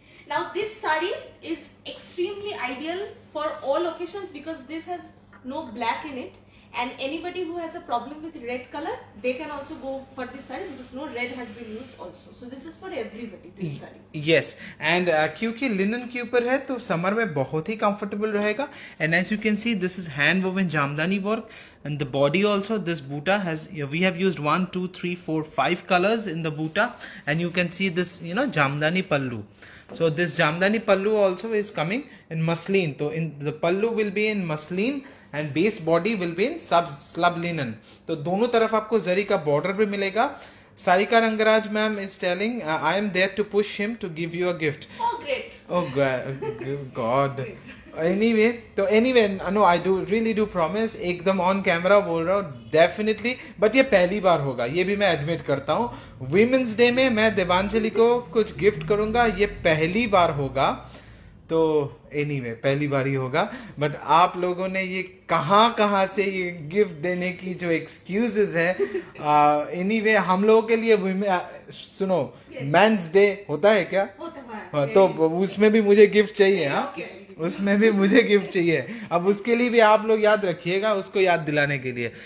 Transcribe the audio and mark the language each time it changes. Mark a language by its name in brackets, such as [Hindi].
[English] Now this sari is extremely ideal for all occasions because this has no black in it and anybody who has a problem with red colour they can also go for this sari because no red has been used also, so this is for everybody this sari. Yes, and [Hindi] क्योंकि linen के ऊपर है तो summer में बहुत ही comfortable रहेगा। [English] And as you can see this is hand woven jamdani work and the body also, this buta has, we have used 1, 2, 3, 4, 5 colors in the buta, and you can see this, you know, jamdani pallu. So this jamdani pallu also is coming in maslin. So in the pallu will be in maslin and base body will be in slab linen. [Hindi] So dono taraf aapko zari ka border bhi milega. [English] Sarika Rangaraj ma'am is telling, I am there to push him to give you a gift. Oh great. Oh god. [Hindi] Anyway, तो anyway [English] no I do really do promise, [Hindi] एकदम on camera बोल रहा हूँ definitely, but ये पहली बार होगा, ये भी मैं एडमिट करता हूँ। वीमेंस डे में मैं देवांजलि को कुछ गिफ्ट करूँगा, ये पहली बार होगा। तो एनीवे पहली बार ही होगा, बट आप लोगों ने ये कहाँ कहाँ से ये गिफ्ट देने की जो एक्सक्यूजेज है, एनीवे हम लोगों के लिए सुनो मेंस डे होता है क्या, तो उसमें भी मुझे गिफ्ट चाहिए, उसमें भी मुझे गिफ्ट चाहिए, अब उसके लिए भी आप लोग याद रखिएगा, उसको याद दिलाने के लिए।